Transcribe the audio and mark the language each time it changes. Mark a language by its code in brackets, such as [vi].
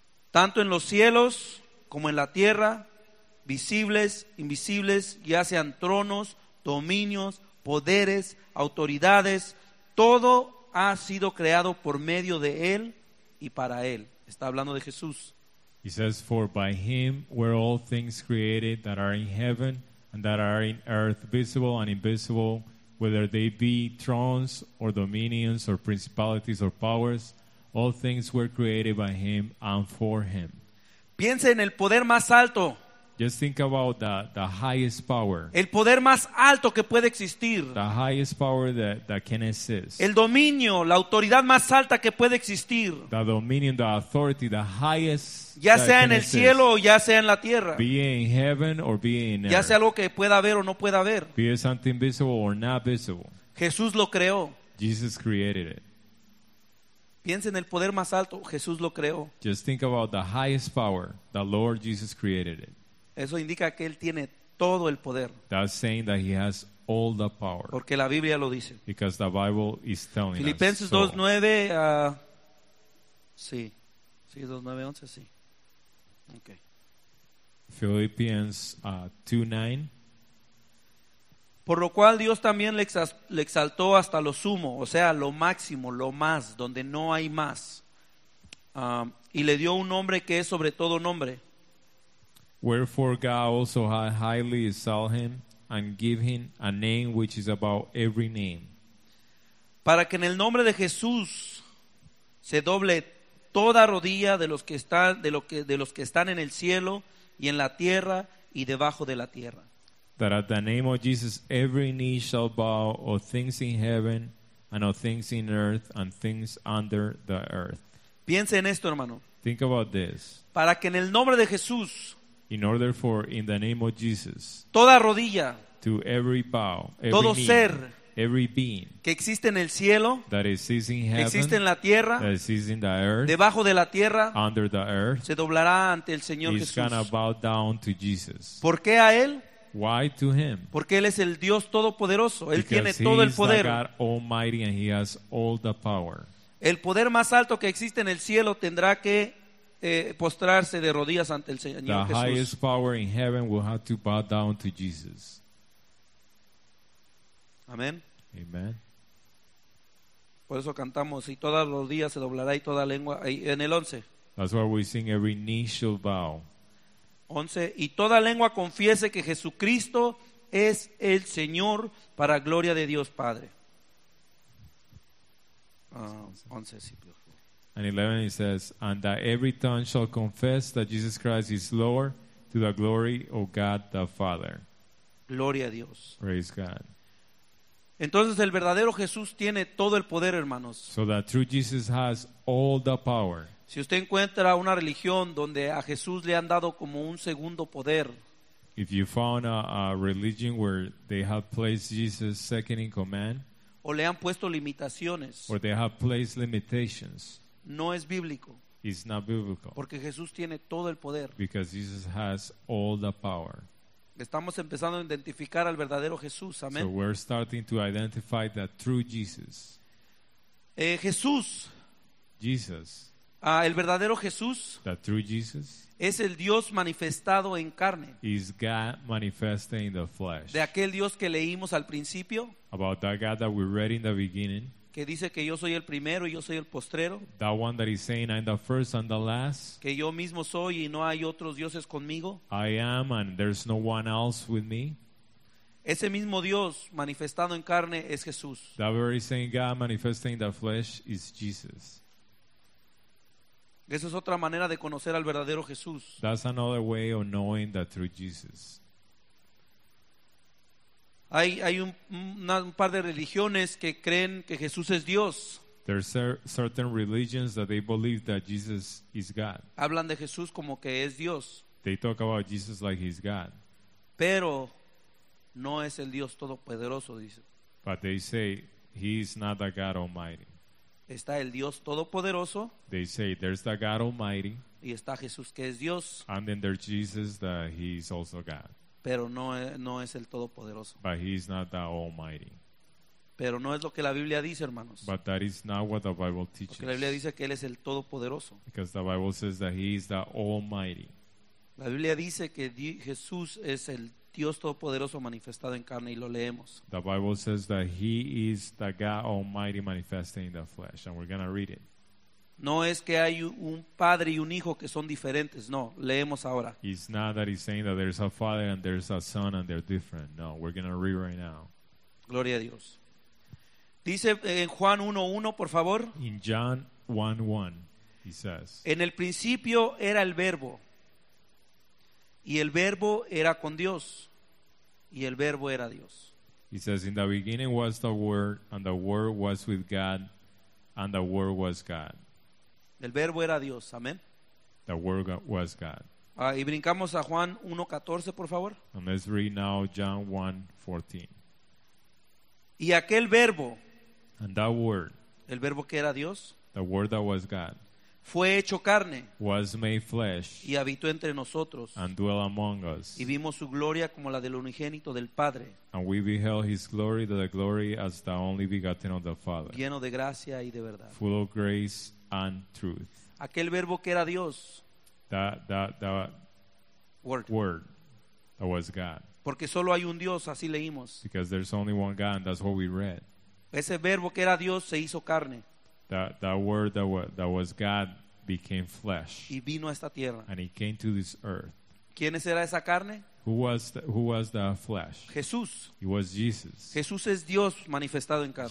[es] Tanto en los cielos como en la tierra, visibles, invisibles, ya sean tronos, dominios, poderes, autoridades, todo ha sido creado por medio de Él y para Él. Está hablando de Jesús. [en] He says, for by Him were all things created that are in heaven and that are in earth, visible and invisible, whether they be thrones or dominions or principalities or powers, all things were created by Him and for Him. [es] Piense en el poder más alto. [en] Just think about the highest power. [es] El poder más alto que puede existir. [en] The highest power that can exist. [es] El dominio, la autoridad más alta que puede existir. [en] The dominion, the authority, the highest. [es] Ya sea en el cielo o ya sea en la tierra. [en] Be in heaven or be in earth. [es] Ya sea algo que pueda ver o no pueda ver. [en] Be it something visible or not visible. [es] Jesús lo creó. [en] Jesus created it. [es] Piensa en el poder más alto. Jesús lo creó. [en] Just think about the highest power. The Lord Jesus created it. [es] Eso indica que Él tiene todo el poder. [en] That's saying that He has all the power. [es] Porque la Biblia lo dice. [en] Because the Bible is telling us. [es] Filipenses 2:9. Sí, 2:9-11, sí. Okay. [en] Philippians 2:9. [es] Por lo cual Dios también le exaltó hasta lo sumo, o sea, lo máximo, lo más, donde no hay más. Y le dio un nombre que es sobre todo nombre. [en] Wherefore God also highly exalted him and gave him a name which is above every name. [es] Para que en el nombre de Jesús se doble toda rodilla de los que están en el cielo y en la tierra y debajo de la tierra. [en] That at the name of Jesus every knee shall bow, of things in heaven and of things in earth and things under the earth. [es] Piense en esto, hermano. [en] Think about this. [es] Para que en el nombre de Jesús, [en] in order for, in the name of Jesus, [es] toda rodilla, [en] to every bow, every [es] todo [en] knee, [es] ser, [en] every being, [es] que existe en el cielo, [en] that exists in heaven, [es] que existe en la tierra, [en] that exists in the earth, [es] debajo de la tierra, [en] under the earth, [es] se doblará ante el Señor Jesús. [en] He's going to bow down to Jesus. [es] ¿Por qué a Él? [en] Why to Him? [es] Porque Él es el Dios Todopoderoso. Él [en] because [es] tiene todo el poder. [en] Because He is the God Almighty and He has all the power. [es] El poder más alto que existe en el cielo tendrá que postrarse de rodillas ante el Señor [en] the [es] Jesús. [en] The highest power in heaven will have to bow down to Jesus. [es] Amen. [en] Amen. [es] Por eso cantamos, y todas los días se doblará y toda lengua, en el 11. [en] That's why we sing, every knee shall bow. [es] 11, y toda lengua confiese que Jesucristo es el Señor para gloria de Dios Padre. 11, sí, por favor. [en] And 11, it says, and that every tongue shall confess that Jesus Christ is Lord to the glory of God the Father. [es] Gloria a Dios. [en] Praise God. [es] Entonces el verdadero Jesús tiene todo el poder, hermanos. [en] So the true Jesus has all the power. [es] Si usted encuentra una religión donde a Jesús le han dado como un segundo poder. [en] If you found a religion where they have placed Jesus second in command. [es] O le han puesto limitaciones. [en] Or they have placed limitations. [es] No es bíblico. [en] It's not biblical. [es] Porque Jesús tiene todo el poder. [en] Because Jesus has all the power. [es] Estamos empezando a identificar al verdadero Jesús. Amén. [en] So we're starting to identify the true Jesus. [es] Jesús. [en] Jesus. [es] El verdadero Jesús, [en] the true Jesus, [es] es el Dios manifestado en carne. [en] Is God manifesting in the flesh. [es] De aquel Dios que leímos al principio. [en] About that God that we read in the beginning. [es] Que dice que yo soy el primero y yo soy el postrero. [en] That one that is saying I'm the first and the last. [es] Que yo mismo soy y no hay otros dioses conmigo. [en] I am and there's no one else with me. [es] Ese mismo Dios manifestado en carne es Jesús. [en] That very same God manifesting in the flesh is Jesus. [es] Esa es otra manera de conocer al verdadero Jesús. [en] That's another way of knowing the true Jesus. [es] Hay un par de religiones que creen que Jesús es Dios. [en] There are certain religions that they believe that Jesus is God. [es] Hablan de Jesús como que es Dios. [en] They talk about Jesus like he's God. [es] Pero no es el Dios Todopoderoso, dice. [en] But they say he is not the God Almighty. [es] Está el Dios Todopoderoso. [en] They say there's the God Almighty. [es] Y está Jesús que es Dios. [en] And then there's Jesus that he is also God. [es] Pero no es el Todopoderoso. [en] But he is not the Almighty. [es] Pero no es lo que la Biblia dice, hermanos. [en] But that is not what the Bible teaches. [es] Porque la Biblia dice que él es el Todopoderoso. [en] Because the Bible says that he is the Almighty. [es] La Biblia dice que Jesús es el Dios Todopoderoso manifestado en carne y lo leemos. [en] The Bible says that he is the God Almighty manifesting in the flesh and we're going to read it. [es] No es que hay un padre y un hijo que son diferentes, no, leemos ahora. [en] It's not that he's saying that there's a father and there's a son and they're different. No, we're going to read right now. [es] Gloria a Dios. Dice en Juan 1:1, por favor. [en] In John 1:1, he says. [es] En el principio era el verbo. Y el verbo era con Dios. Y el verbo era Dios. [en] He says, in the beginning was the word, and the word was with God, and the word was God. [es] El verbo era Dios, amén. [en] The word was God. [es] Y brincamos a Juan 1:14, por favor. [en] And let's read now John 1:14. [es] Y aquel verbo. [en] And that word. [es] El verbo que era Dios. [en] The word that was God. [es] Fue hecho carne. [en] Was made flesh. [es] Y habitó entre nosotros. [en] And dwelt among us. [es] Y vimos su gloria como la del unigénito del Padre. [en] And we beheld his glory, the glory as the only begotten of the Father. [es] Lleno de gracia y de verdad. [en] Full of grace and truth. [es] Aquel verbo que era Dios. [en] That word. That was God. [es] Porque solo hay un Dios, así leímos. [en] Because there's only one God, and that's what we read. [es] Ese verbo que era Dios se hizo carne. [en] That word that was God became flesh. [es] Y vino a esta tierra. [en] And he came to this earth. [es] ¿Quiénes era esa carne? [en] Who was the flesh? [es] Jesús. [en] It was Jesus. [es] Jesús es Dios manifestado en carne.